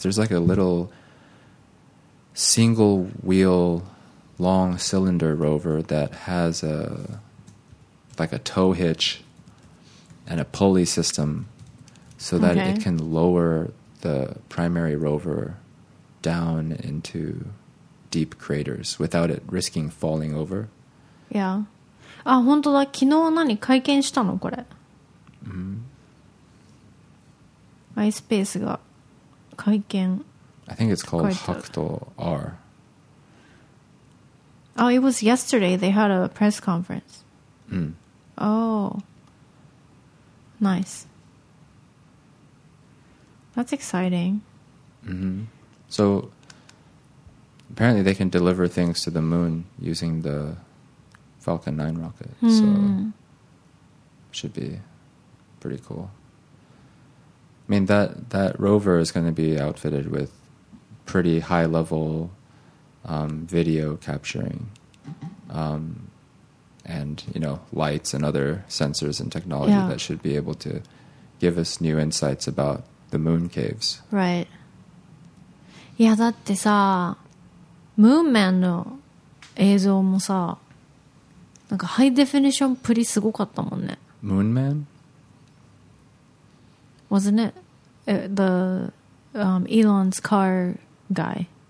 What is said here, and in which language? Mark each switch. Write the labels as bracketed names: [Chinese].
[English] There's like a little single wheel long cylinder rover that has a... like a tow hitch... and a pulley system so that it can lower the primary rover down into deep craters without it risking falling over. Yeah. [Japanese] あ、本当だ。昨日何会見したのこれ。 Mm-hmm. iSpace が会見。 [English] I think it's called Hakuto R. Oh, it was yesterday. They had a press conference. Mm. Oh. Nice. That's exciting. Mm-hmm. So, apparently they can deliver things to the moon using the Falcon 9 rocket. Mm. So, should be pretty cool. I mean, that rover is going to be outfitted with pretty high-level video capturing. And, you know, lights and other sensors and technology that should be able to give us new insights about the moon caves. Right. [Japanese] いや、だってさ、ムーンマンの映像もさ、なんかハイデフィニションプリすごかったもんね。うん。Moon Man? [English] Wasn't it the Elon's car guy?